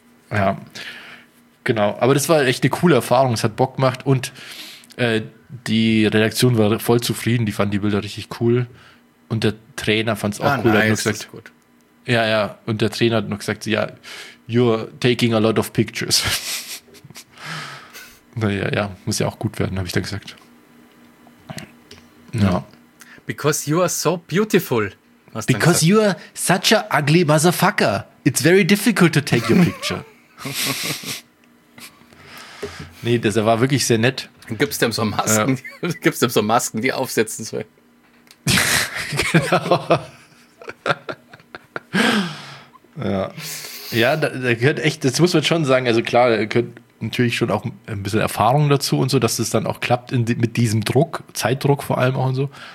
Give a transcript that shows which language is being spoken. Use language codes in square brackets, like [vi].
[de] Ja, genau. Aber das war echt eine coole Erfahrung. Es hat Bock gemacht und die Redaktion war voll zufrieden. Die fanden die Bilder richtig cool. Und der Trainer fand es auch cool. Nice, hat nur gesagt, das ist gut. Ja, ja. Und der Trainer hat noch gesagt, ja, [en] you're taking a lot of pictures. [de] Naja, ja, muss ja auch gut werden, habe ich dann gesagt. Ja. [en] Because you are so beautiful. Because you are such a ugly motherfucker. It's very difficult to take your picture. [de] Nee, das war wirklich sehr nett. Gibt's dem so Masken, gibt's dem so Masken, die aufsetzen soll. Genau. Ja. Ja, da gehört echt, das muss man schon sagen, also klar, da gehört natürlich schon auch ein bisschen Erfahrung dazu und so, dass es dann auch klappt mit diesem Druck, Zeitdruck vor allem auch und so.